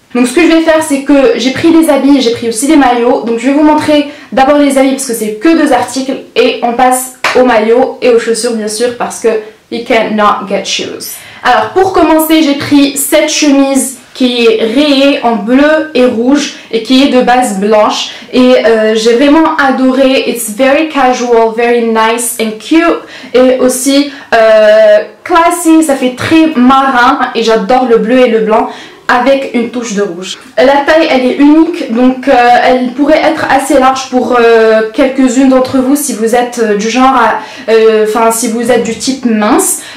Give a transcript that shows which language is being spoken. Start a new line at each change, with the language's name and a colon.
French: Donc ce que je vais faire, c'est que j'ai pris des habits et j'ai pris aussi des maillots. Donc je vais vous montrer d'abord les habits parce que c'est que deux articles. Et on passe aux maillots et aux chaussures bien sûr parce que
English: you cannot get shoes.
French: Alors pour commencer, j'ai pris cette chemise qui est rayée en bleu et rouge et qui est de base blanche. Et j'ai vraiment adoré,
English: it's very casual, very nice and cute.
French: Et aussi classy, ça fait très marin et j'adore le bleu et le blanc avec une touche de rouge. La taille elle est unique, donc elle pourrait être assez large pour quelques-unes d'entre vous si vous êtes du genre, si vous êtes du type mince.